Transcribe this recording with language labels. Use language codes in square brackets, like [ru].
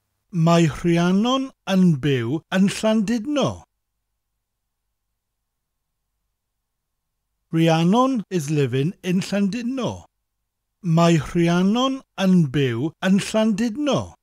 [cy] Mae Rhiannon yn byw yn Llandudno. [en] Rhiannon is living in Llandudno. [cy] Mae Rhiannon yn byw yn Llandudno.